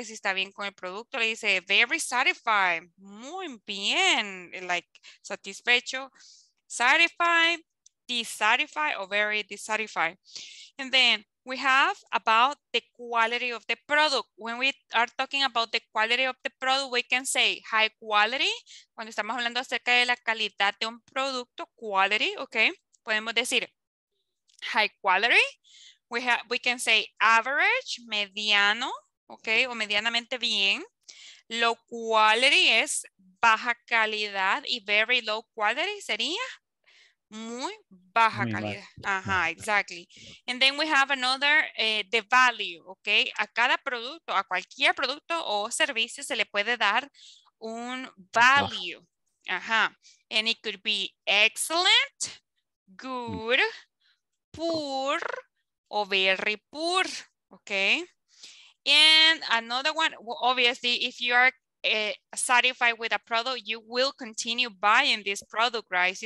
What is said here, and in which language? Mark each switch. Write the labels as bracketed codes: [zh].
[es] Que si está bien con el producto. Le dice, [en] very satisfied. [es] Muy bien. [en] Like, satisfecho. Satisfied, dissatisfied, or very dissatisfied. And then we have about the quality of the product. When we are talking about the quality of the product, we can say high quality. [es] Cuando estamos hablando acerca de la calidad de un producto, quality, okay, podemos decir [en] high quality. We can say average, mediano, okay, [es] o medianamente bien. [en] low quality [es] es baja calidad y [en] very low quality [es] sería muy baja calidad. Ajá, exactly. [en] And then we have another, the value, okay? [es] A cada producto, a cualquier producto o servicio se le puede dar un value. Ajá. [en] And it could be excellent, good, poor, or very poor, okay? And another one, well, obviously, if you are satisfied with a product, you will continue buying this product, right?